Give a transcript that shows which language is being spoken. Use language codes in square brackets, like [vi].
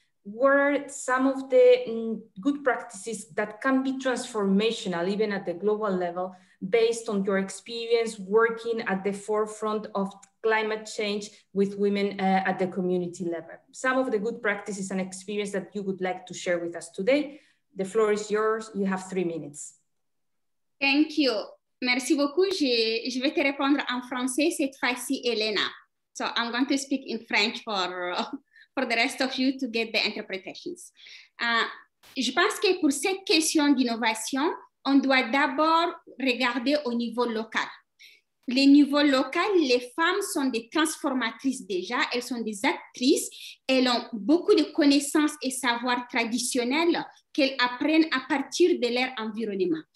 [en] What are some of the good practices that can be transformational, even at the global level, based on your experience working at the forefront of climate change with women at the community level? Some of the good practices and experience that you would like to share with us today. The floor is yours. You have 3 minutes. Thank you. [fr] Merci beaucoup. Je vais te répondre en français cette fois-ci, Elena. [en] So I'm going to speak in French for the rest of you to get the interpretations. [fr] Je pense que pour cette question d'innovation, on doit d'abord regarder au niveau local. Les niveaux locaux, les femmes sont des transformatrices déjà, elles sont des actrices, elles ont beaucoup de connaissances et savoirs traditionnels qu'elles apprennent à partir de leur environnement.